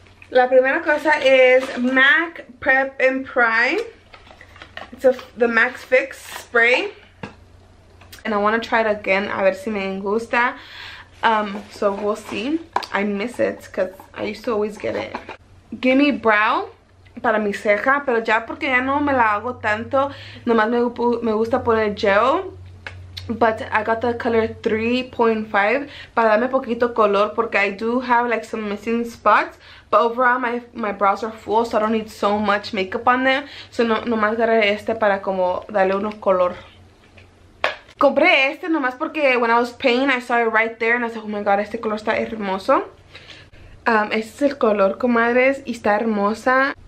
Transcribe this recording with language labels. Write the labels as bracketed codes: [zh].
[es] La primera cosa es MAC Prep and Prime. [en] It's the MAC Fix spray. And I want to try it again, [es] a ver si me gusta. [en] So we'll see. I miss it because I used to always get it. [es] Gimme Brow para mi ceja, pero ya porque ya no me la hago tanto, nomás me gusta poner gel. [en] But I got the color 3.5 [es] para darme poquito color porque [en] I do have like some missing spots. But overall, my brows are full, so I don't need so much makeup on them. [es] So nomás agarré este para como darle unos color. Compré este nomás porque [en] when I was painting, I saw it right there and I said, oh my god, [es] este color está hermoso. Este es el color, comadres, y está hermosa.